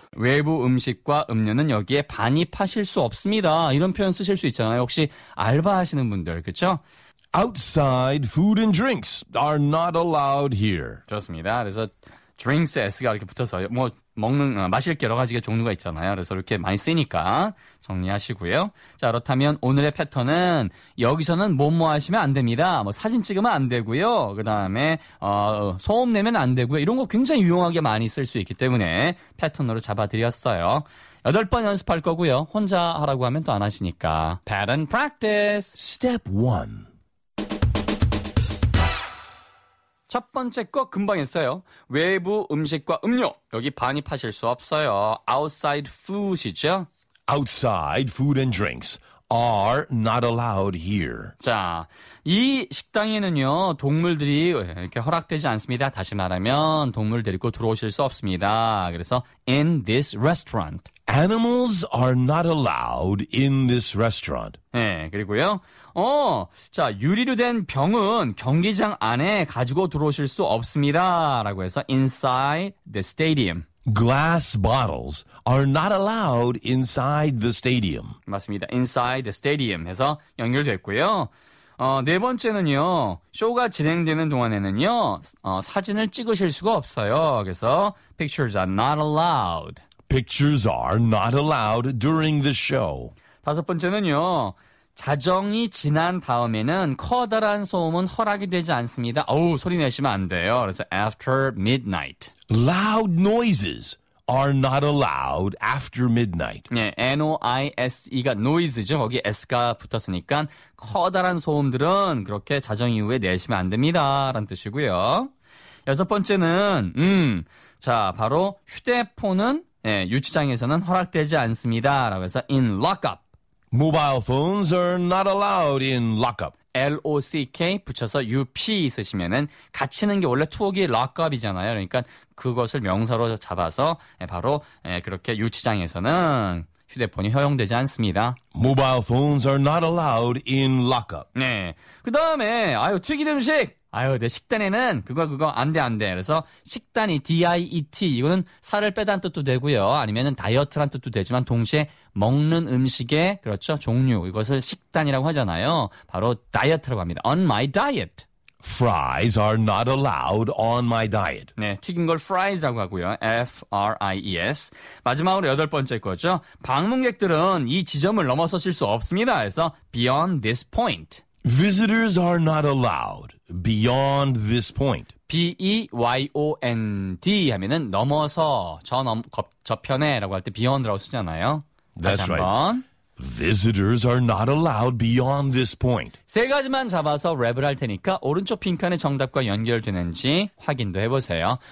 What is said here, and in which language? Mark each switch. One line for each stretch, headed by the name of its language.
Korean: 외부 음식과 음료는 여기에 반입하실 수 없습니다. 이런 표현 쓰실 수 있잖아요. 혹시 알바하시는 분들, 그렇죠?
English: Outside food and drinks are not allowed here.
Korean: 좋습니다. 그래서 drinks s가 이렇게 붙어서 뭐 먹는 마실 게 여러 가지 종류가 있잖아요. 그래서 이렇게 많이 쓰니까 정리하시고요. 자, 그렇다면 오늘의 패턴은 여기서는 뭐뭐 하시면 안 됩니다. 뭐 사진 찍으면 안 되고요. 그다음에 소음 내면 안 되고요. 이런 거 굉장히 유용하게 많이 쓸 수 있기 때문에 패턴으로 잡아드렸어요. 8번 연습할 거고요. 혼자 하라고 하면 또 안 하시니까.
English: Pattern practice. Step 1.
Korean: 첫 번째 거 금방 했어요. 외부 음식과 음료. 여기 반입하실 수 없어요.
English: Outside food이죠? Outside food and drinks are not allowed here.
Korean: 자, 이 식당에는요. 동물들이 이렇게 허락되지 않습니다. 다시 말하면 동물 데리고 들어오실 수 없습니다. 그래서
English: in this restaurant. Animals are not allowed in this restaurant.
Korean: 네, 그리고요. 자, 유리로 된 병은 경기장 안에 가지고 들어오실 수 없습니다. 라고 해서
English: inside the stadium. Glass bottles are not allowed inside the stadium.
Korean: 맞습니다.
English: Inside the stadium
Korean: 해서 연결됐고요. 네 번째는요. 쇼가 진행되는 동안에는요. 사진을 찍으실 수가 없어요. 그래서
English: pictures are not allowed. Pictures are not allowed during the show.
Korean: 다섯 번째는요. 자정이 지난 다음에는 커다란 소음은 허락이 되지 않습니다. 소리 내시면 안 돼요. 그래서
English: after midnight. Loud noises are not allowed after midnight.
Korean: 네, N-O-I-S-E가 noise죠. 거기 S가 붙었으니까 커다란 소음들은 그렇게 자정 이후에 내시면 안 됩니다. 라는 뜻이고요. 여섯 번째는 바로 휴대폰은 유치장에서는 허락되지 않습니다. 라고 해서
English: in lockup. Mobile phones are not allowed in lockup.
Korean: L-O-C-K 붙여서 U-P 쓰시면은 갇히는 게 원래 투옥이 lockup이잖아요. 그러니까 그것을 명사로 잡아서 바로 그렇게 유치장에서는 휴대폰이 허용되지 않습니다.
English: Mobile phones are not allowed in lockup.
Korean: 네. 그 다음에 튀긴 음식. 내 식단에는 그거 안 돼. 그래서 식단이 DIET 이거는 살을 빼다는 뜻도 되고요. 아니면은 다이어트란 뜻도 되지만 동시에 먹는 음식의 그렇죠 종류 이것을 식단이라고 하잖아요. 바로 다이어트라고 합니다.
English: On my diet. Fries are not allowed on my diet.
Korean: 네, 튀긴 걸 fries라고 하고요.
English: F-R-I-E-S.
Korean: 마지막으로 여덟 번째 거죠. 방문객들은 이 지점을 넘어서실 수 없습니다.
English: 그래서 beyond this point. Visitors are not allowed beyond this point.
Korean: B-E-Y-O-N-D 하면은 넘어서 저편에라고 할 때 beyond라고 쓰잖아요.
English: That's right. Visitors are not allowed beyond this point.
Korean: 세 가지만 잡아서 랩을 할 테니까 오른쪽 빈칸의 정답과 연결되는지 확인도 해보세요.